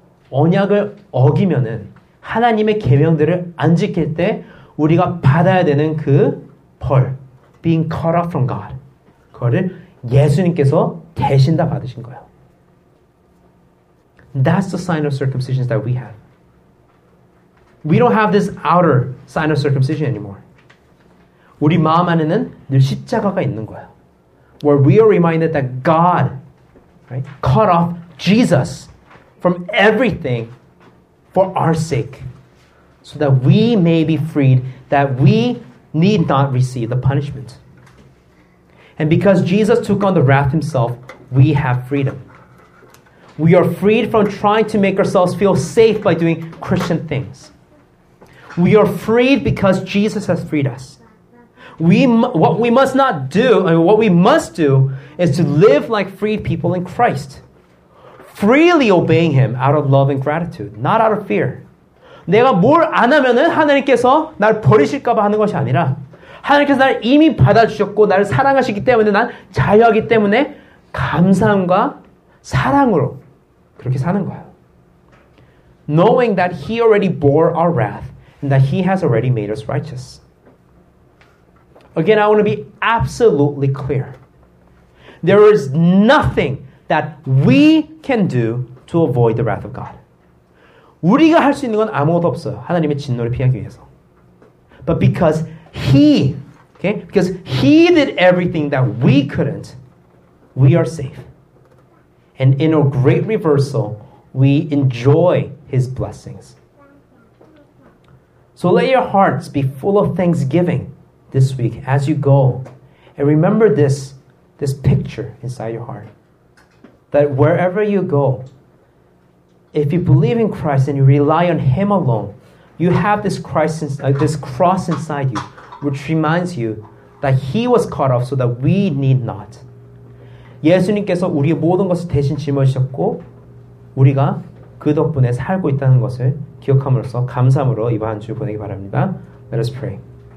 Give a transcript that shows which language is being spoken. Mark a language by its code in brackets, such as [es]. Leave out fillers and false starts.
[ko] 언약을 어기면은 하나님의 계명들을 안 지킬 때 우리가 받아야 되는 그 벌, [en] being cut off from God, [ko] 그거를 예수님께서 대신 다 받으신 거예요. [en] That's the sign of circumcision that we have. We don't have this outer sign of circumcision anymore. [ko] 우리 마음 안에는 늘 십자가가 있는 거예요. [en] Where we are reminded that God, right, cut off Jesus from everything for our sake. So that we may be freed, that we need not receive the punishment. And because Jesus took on the wrath himself, we have freedom. We are freed from trying to make ourselves feel safe by doing Christian things. We are freed because Jesus has freed us. What we must do is to live like freed people in Christ, freely obeying him out of love and gratitude, not out of fear. [ko] 내가 뭘 안 하면은 하나님께서 날 버리실까봐 하는 것이 아니라 하나님께서 날 이미 받아주셨고 나를 사랑하시기 때문에 난 자유하기 때문에 감사함과 사랑으로 그렇게 사는 거예요. [en] Knowing that he already bore our wrath and that he has already made us righteous. Again, I want to be absolutely clear. There is nothing that we can do to avoid the wrath of God. [ko] 우리가 할 수 있는 건 아무것도 없어요. 하나님의 진노를 피하기 위해서. [en] But because he, okay? Because he did everything that we couldn't, we are safe. And in a great reversal, we enjoy his blessings. So let your hearts be full of thanksgiving this week as you go. And remember this picture inside your heart. That wherever you go, if you believe in Christ and you rely on him alone, you have this cross inside you, which reminds you that he was cut off so that we need not. [ko] 예수님께서 우리의 모든 것을 대신 짊어지셨고 우리가 그 덕분에 살고 있다는 것을 기억함으로써 감사함으로 이번 한 주 보내기 바랍니다. [en] Let us pray.